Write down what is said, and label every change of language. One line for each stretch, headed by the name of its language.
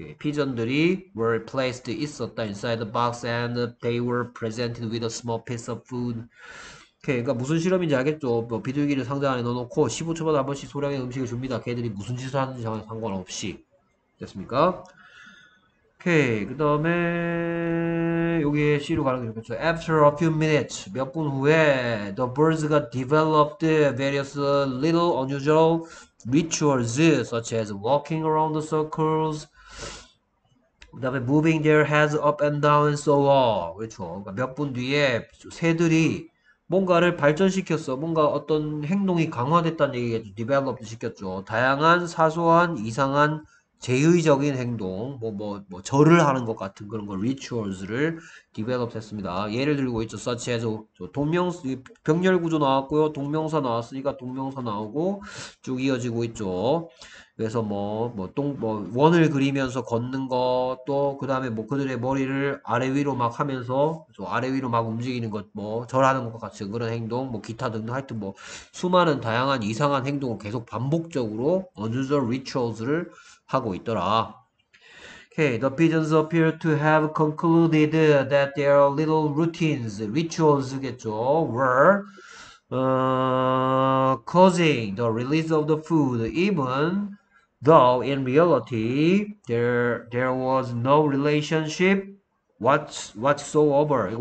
Korean: 피전들이
English: were placed
Korean: 있었다
English: inside the box and they were presented with a small piece of food.
Korean: 그러니까 무슨 실험인지 알겠죠. 뭐 비둘기를 상자 안에 넣어놓고 15초마다 한 번씩 소량의 음식을 줍니다. 걔들이 무슨 짓을 하는지 상관없이 됐습니까? 오케이 그 다음에 여기에 C로 가는 게 좋겠죠.
English: After a few minutes
Korean: 몇 분 후에
English: the birds got developed various little unusual rituals such as walking around the circles 그 다음에 moving their heads up and down and so on
Korean: 그렇죠. 그러니까 몇 분 뒤에 새들이 뭔가를 발전시켰어. 뭔가 어떤 행동이 강화됐다는 얘기겠죠. developed 시켰죠. 다양한 사소한 이상한 제의적인 행동, 뭐 절을 하는 것 같은 그런 거 rituals를 디벨롭했습니다. 예를 들고 있죠. such as 병렬 구조 나왔고요. 동명사 나왔으니까 동명사 나오고 쭉 이어지고 있죠. 그래서 원을 그리면서 걷는 것, 또, 그 다음에 뭐 그들의 머리를 아래 위로 막 하면서, 아래 위로 막 움직이는 것, 절하는 것 같은 그런 행동, 기타 등등 하여튼 수많은 다양한 이상한 행동을 계속 반복적으로, unusual rituals를 하고 있더라.
English: Okay, the pigeons appear to have concluded that their little routines, rituals겠죠, were causing the release of the food, even though in reality there was no relationship whatsoever.